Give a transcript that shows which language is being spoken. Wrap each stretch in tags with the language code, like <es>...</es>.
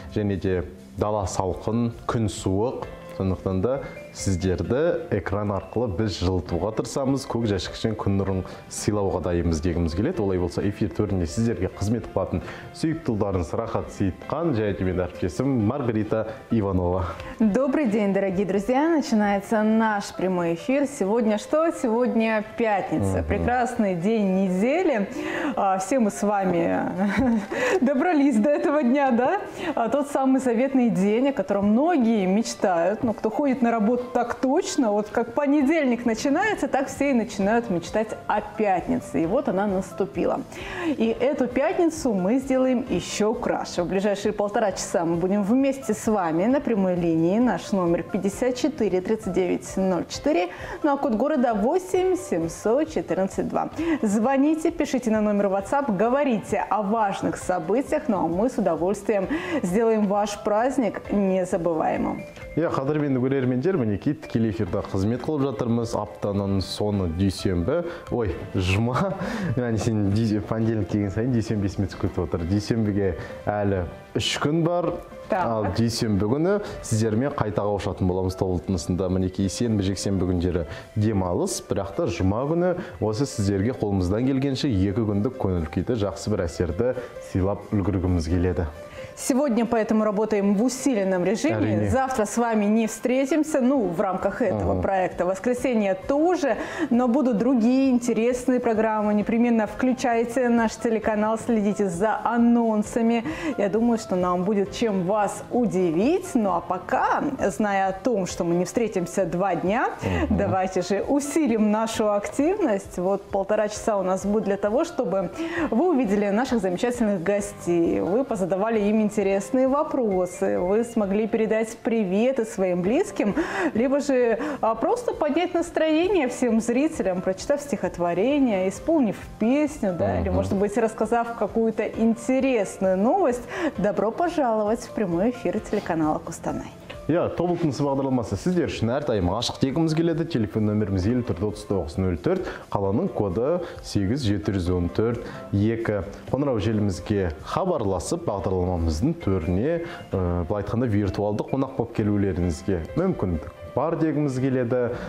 <kk>Және де дала салқын, күн суық, сондықтан да сіздерді экран арқылы біз жылытуға тырысамыз, көк жәшікшен күн нұрын сыйлауға дайымыз дегіміз келеді. Олай болса, эфир төрінде сіздерге қызмет қылатын сүйікті ұлдарыңыз Рахат Сейітхан, және де менің әріптесім Маргарита Иванова.</kk> <ru>Добрый день, дорогие друзья! Начинается наш прямой эфир. Сегодня что? Сегодня пятница. Прекрасный день недели. Все мы с вами добрались до этого дня, да? Тот самый заветный день, о котором многие мечтают. Но кто ходит на работу, так точно. Вот как понедельник начинается, так все и начинают мечтать о пятнице. И вот она наступила. И эту пятницу мы сделаем еще краше. В ближайшие полтора часа мы будем вместе с вами на прямой линии. Наш номер 54-39-04, ну а код города 8-714-2. Звоните, пишите на номер WhatsApp, говорите о важных событиях, ну а мы с удовольствием сделаем ваш праздник незабываемым.</ru> <kk>Я қадірменді көрермендер, мінекей тікелей эфирде қызмет қылып жатырмыз. Аптаның соңы дүйсенбі, ой, жұма, яғни сен понедельник деген сайын дүйсенбі есіме түсіп кетіп отыр. Дүйсенбіге әлі 3 күн бар. Ал дүйсенбі күні сіздермен қайта қауышатын боламыз тобыл тынысында. Мінекей сенбі жексенбі күндері демалыс, бірақ та жұма күні осы сіздерге қолымыздан келгенше 2 күндік көңіл күйді жақсы бір әсерді сыйлап үлгергіміз келеді.</kk> <ru>Сегодня поэтому работаем в усиленном режиме. Арине. Завтра с вами не встретимся, ну, в рамках этого проекта. Воскресенье тоже, но будут другие интересные программы. Непременно включайте наш телеканал, следите за анонсами. Я думаю, что нам будет чем вас удивить. Ну, а пока, зная о том, что мы не встретимся 2 дня, давайте же усилим нашу активность. Вот 1,5 часа у нас будет для того, чтобы вы увидели наших замечательных гостей, вы позадавали им интересные вопросы, вы смогли передать приветы своим близким, либо же просто поднять настроение всем зрителям, прочитав стихотворение, исполнив песню, да, или, может быть, рассказав какую-то интересную новость. Добро пожаловать в прямой эфир телеканала «Костанай».</ru> <kk>Я тобыл тынысы бағдарламасы сіздер үшін әртайым ғашық дегіміз келеді. Телефон нөміріміз 54-39-04, қаланың коды 8-714-2. Қоңырау желімізге хабарласып, бағдарламамыздың төріне, былай айтқанда, виртуалды қонақ боп келулеріңізге мүмкіндік бар дегіміз келеді.</kk>